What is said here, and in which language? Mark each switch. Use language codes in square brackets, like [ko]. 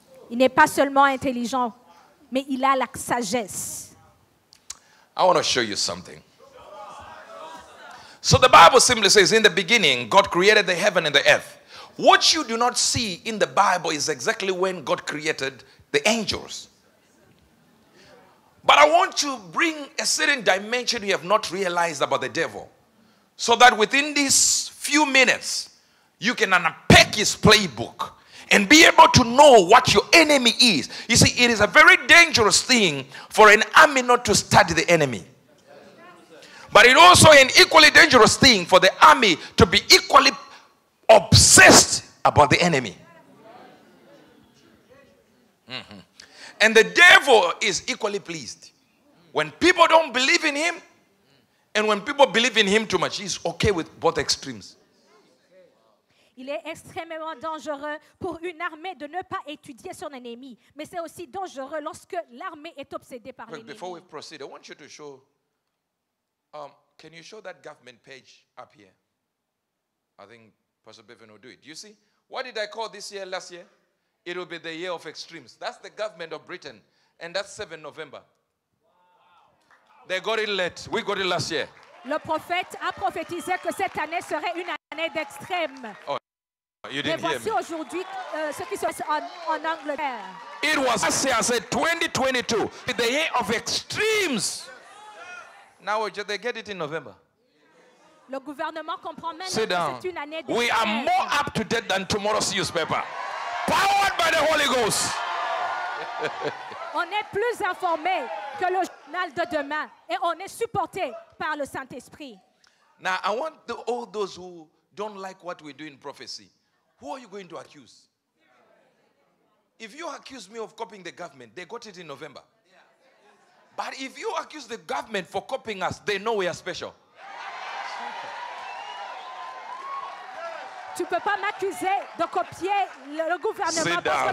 [fr] Il n'est pas seulement intelligent, mais il a la sagesse. [en] I want to show you something. So the Bible simply says, in the beginning, God created the heaven and the earth. What you do not see in the Bible is exactly when God created the angels. But I want to bring a certain dimension you have not realized about the devil. So that within these few minutes, you can unpack his playbook and be able to know what your enemy is. You see, it is a very dangerous thing for an army not to study the enemy. But it's also an equally dangerous thing for the army to be equally obsessed about the enemy. Mm-hmm. And the devil is equally pleased. When people don't believe in him, and when people believe in him too much, he's okay with both extremes. [fr] Il est extrêmement dangereux pour une armée de ne pas étudier son ennemi. Mais c'est aussi dangereux lorsque l'armée est obsédée par l'ennemi. [en] Before we proceed, I want you to show... can you show that government page up here? I think Pastor Bevan will do it. Do you see? What did I call this year last year? It will be the year of extremes. That's the government of Britain. And that's 7 November. They got it late. We got it last year. [fr] Le prophète a prophétisé que cette année serait une année d'extrême. [en] Oh, you didn't hear me. [fr] Mais voici aujourd'hui ce qui se passe en Angleterre. [en] It was last year, I said, 2022, the year of extremes. Now they get it in November. [fr] Le gouvernement comprend même. [en] Sit down. [fr] Que c'est une année [en] we are more up to date than tomorrow's newspaper. Powered by the Holy Ghost. [fr] On est plus informé que le journal de demain et on est supporté par le Saint-Esprit. [en] Now, I want all those who don't like what we do in prophecy. Who are you going to accuse? If you accuse me of copying the government, they got it in November. But if you accuse the government for copying us, they know we are special. [fr] Tu peux pas m'accuser de copier le gouvernement.